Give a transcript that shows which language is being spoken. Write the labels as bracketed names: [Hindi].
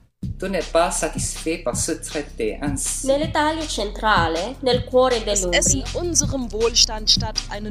[French] Tu n'es pas satisfait par ce traité ainsi. [Italian] Nell'Italia centrale, nel cuore dell'Umbria. [German] Es ist in unserem Wohlstandsstadt eine